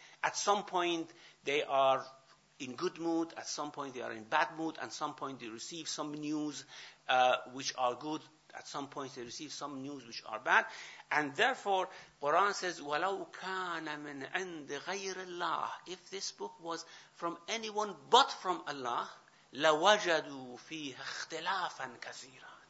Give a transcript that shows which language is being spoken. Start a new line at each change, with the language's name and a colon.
English: At some point, they are in good mood, at some point they are in bad mood, at some point they receive some news which are good, at some point they receive some news which are bad. And therefore, Quran says,
Arabic: وَلَوْ كَانَ مِنْ عِنْدِ غَيْرِ اللَّهِ.
English: If this book was from anyone but from Allah,
Arabic: لَوَجَدُوا فِيهَ اخْتِلَافًا كَثِيرًا.